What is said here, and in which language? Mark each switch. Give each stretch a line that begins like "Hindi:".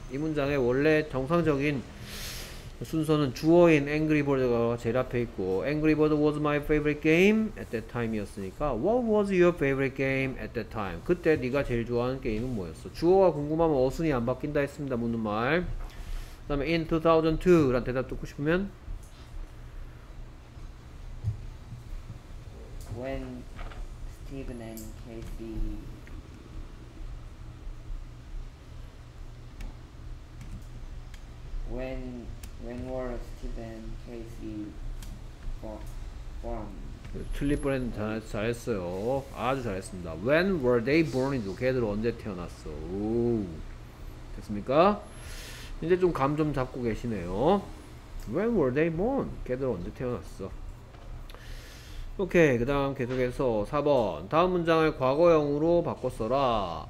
Korean: 이 문장의 원래 정상적인 순서는 주어인 Angry Bird가 제일 앞에 있고
English: Angry Bird was my favorite game at that time이었으니까 What was your favorite game at that time?
Korean: 그때 네가 제일 좋아하는 게임은 뭐였어? 주어가 궁금하면 어순이 안 바뀐다 했습니다. 묻는 말. 그 다음에 In 2002라는 대답 듣고 싶으면
English: When Steven and Casey When were Steven and Casey born?
Korean: 틀릴 뻔했는데 잘했어요. 아주 잘했습니다.
English: When were they born?
Korean: 걔들 언제 태어났어? 오. 됐습니까? 이제 좀 감 좀 잡고 계시네요.
English: When were they born?
Korean: 걔들 언제 태어났어? 오케이, 그 다음 계속해서 4번 다음 문장을 과거형으로 바꿨어라.